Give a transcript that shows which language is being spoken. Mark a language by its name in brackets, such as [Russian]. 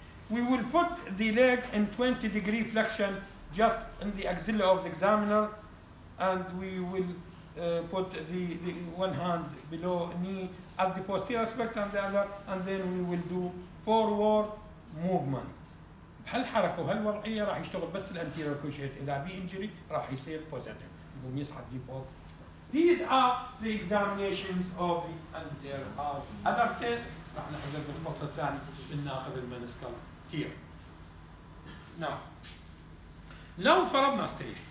[English] We will put the leg in 20 degree flexion just in the axilla of the examiner and we will put the one hand below knee at the posterior aspect and the other and then we will do forward movement. [Arabic] هالحركة وهالوضعية راح يشتغل بس الانتيرير كروشيت إذا بي إنجري راح يصير بوزيتيف يقوم يصعد دي فوق. [English] These are the examinations of the anterior cruciate. Other test [Arabic] راح نحجز بالفصل الثاني بناخذ المنسكال here. Now لو فرضنا استريح